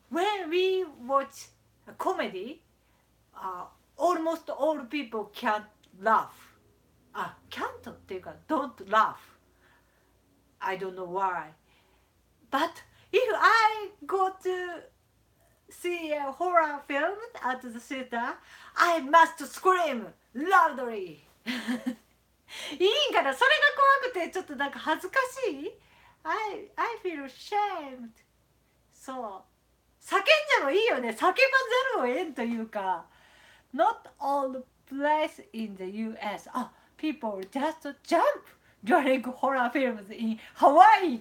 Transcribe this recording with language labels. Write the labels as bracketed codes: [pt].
[en] When we watch a comedy, almost all people can't laugh. Can't っていうか don't laugh. I don't know why. But if I go toSee a horror film at the theater, I must scream loudly. [ja] いいんかな、それが怖くてちょっとなんか恥ずかしい。 [en] I feel ashamed. [ja] そう、叫んじゃもいいよね、叫ばざるを得んというか。 [en] Not all place in the US. People just jump during horror films in Hawaii.